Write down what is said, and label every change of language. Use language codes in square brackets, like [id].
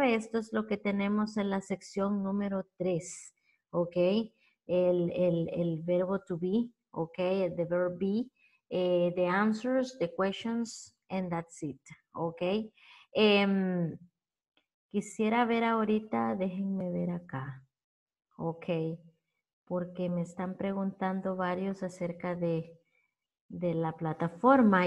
[es] Esto es lo que tenemos en la sección número 3. Okay. El verbo to be, [en] okay, the verb be, the answers, the questions, and that's it, okay. [es] Quisiera ver ahorita, déjenme ver acá, okay, porque me están preguntando varios acerca de la plataforma.